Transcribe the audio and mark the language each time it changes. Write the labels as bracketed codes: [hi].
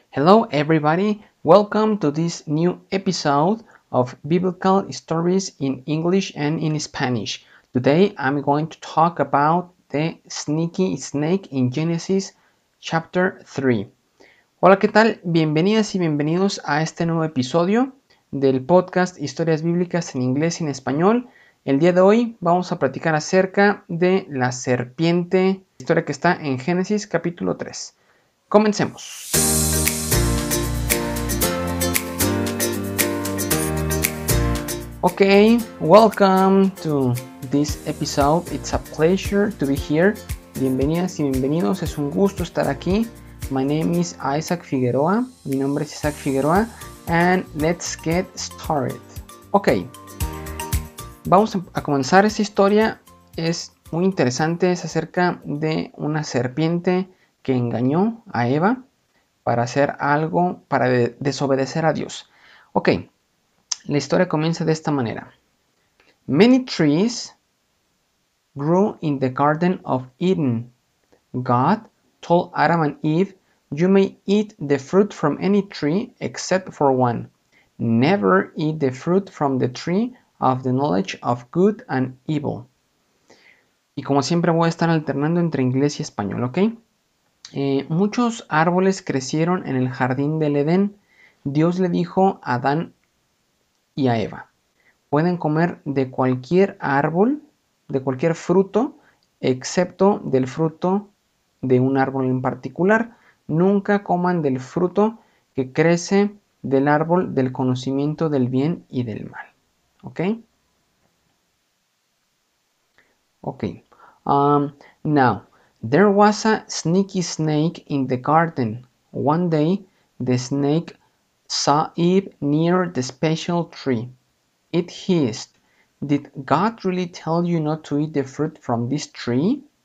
[en] Hello everybody, welcome to this new episode of Biblical Stories in English and in Spanish. Today I'm going to talk about the sneaky snake in Genesis chapter 3. [es] Hola, ¿qué tal? Bienvenidas y bienvenidos a este nuevo episodio del podcast Historias Bíblicas en Inglés y en Español. El día de hoy vamos a platicar acerca de la serpiente, historia que está en Génesis capítulo 3. Comencemos. [en] Okay, welcome to this episode. It's a pleasure to be here. [es] Bienvenidas y bienvenidos. Es un gusto estar aquí. [en] My name is Isaac Figueroa. [es] Mi nombre es Isaac Figueroa. [en] And let's get started. [es] Okay, vamos a comenzar esta historia. Es muy interesante. Es acerca de una serpiente que engañó a Eva para hacer algo, para desobedecer a Dios. Okay. La historia comienza de esta manera. [en] Many trees grew in the Garden of Eden. God told Adam and Eve, "You may eat the fruit from any tree except for one. Never eat the fruit from the tree of the knowledge of good and evil." [es] Y como siempre voy a estar alternando entre inglés y español, ¿ok? Muchos árboles crecieron en el jardín del Edén. Dios le dijo a Adán y a Eva, pueden comer de cualquier árbol, de cualquier fruto, excepto del fruto de un árbol en particular. Nunca coman del fruto que crece del árbol del conocimiento del bien y del mal. ¿Ok? Ok. [en] Now, there was a sneaky snake in the garden. One day, the snake saw Eve near the special tree. It hissed. Did God really tell you not to eat the fruit from this tree?